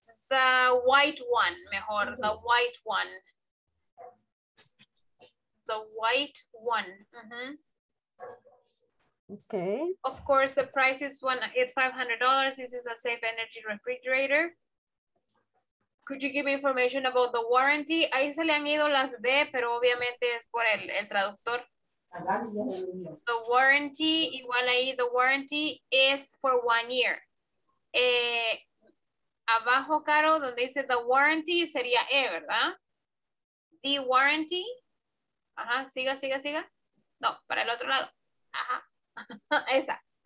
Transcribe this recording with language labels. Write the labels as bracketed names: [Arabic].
[English] The white one, mejor. Mm-hmm. The white one. Mm-hmm. Okay. Of course, the price is one. It's $500. This is a safe energy refrigerator. Could you give me information about the warranty? [Spanish] Ahí se le han ido las D, pero obviamente es por el traductor. [English] The warranty, [Spanish] igual ahí, [English] the warranty is for 1 year. [Spanish] Abajo, Caro, donde dice the warranty, sería E, ¿verdad? The warranty. Ajá, siga. No, para el otro lado. Ajá, esa.